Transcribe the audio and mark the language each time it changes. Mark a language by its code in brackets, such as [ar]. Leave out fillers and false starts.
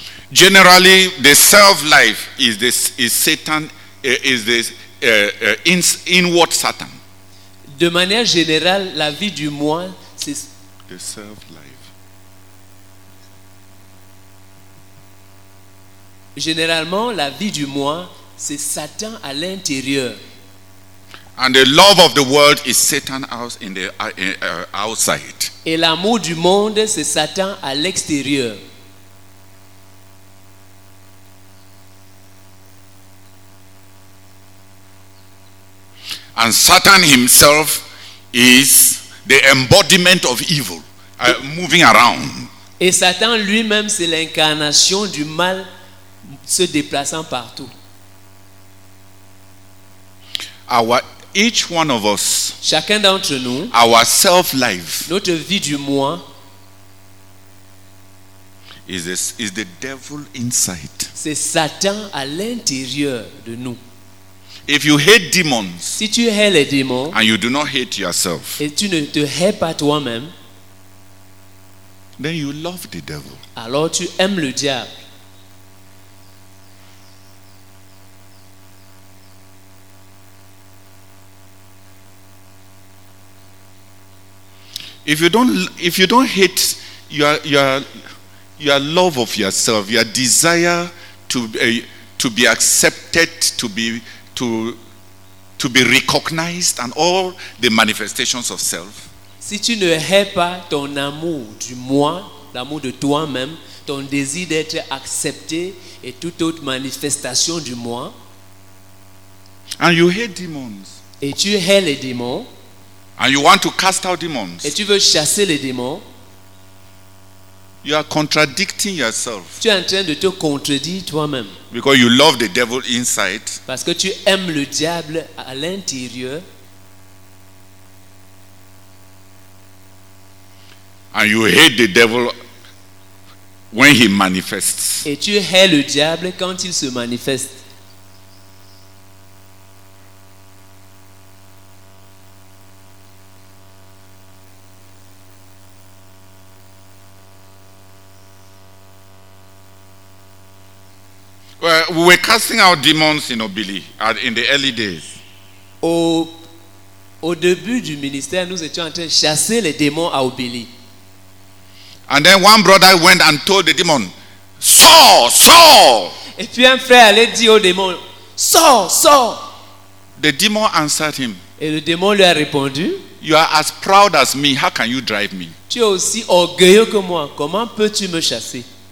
[en] Generally, the self-life is Satan, inward Satan. [fr] De manière générale, la vie du moi, c'est. [en] The self-life. [fr] Généralement, la vie du moi, c'est Satan à l'intérieur. [en] And the love of the world is Satan out in the outside. [fr] Et l'amour du monde, c'est Satan à l'extérieur. [en] And Satan himself is the embodiment of evil, moving around. [fr] Et Satan lui-même, c'est l'incarnation du mal se déplaçant partout. [en] Each one of us, [fr] chacun d'entre nous, [en] our self-life, [fr] notre vie du moi, [en] is the devil inside. [fr] C'est Satan à l'intérieur de nous. [en] If you hate demons, [fr] si tu hais les démons, [en] and you do not hate yourself, [fr] et tu ne te hais pas toi-même, [en] Then you love the devil. [fr] Alors tu aimes le diable. [en] If you don't hate your love of yourself, your desire to be accepted, to be recognized, and all the manifestations of self. [fr] Si tu ne hais pas ton amour du moi, l'amour de toi-même, ton désir d'être accepté et toute autre manifestation du moi. [en] And you hate demons. [fr] Et tu hais les démons. [en] And you want to cast out demons. [fr] Et tu veux chasser les démons. [en] You are contradicting yourself. [fr] Tu es en train de te contredire toi-même. [en] Because you love the devil inside. [fr] Parce que tu aimes le diable à l'intérieur. [en] And you hate the devil when he manifests. [fr] Et tu hais le diable quand il se manifeste. [en] Well, we were casting out demons, you know, Billy, in the early days. [fr] Au début du ministère, nous étions en train de chasser les démons à Billy. [en] And then one brother went and told the demon, Saul, Saul. [fr] Et puis un frère allait dire au démon, Saul, Saul. [en] The demon answered him. [fr] Et le démon lui a répondu. [en] You are as proud as me. How can you drive me? [fr] Tu es aussi orgueilleux que moi. Comment peux-tu me chasser?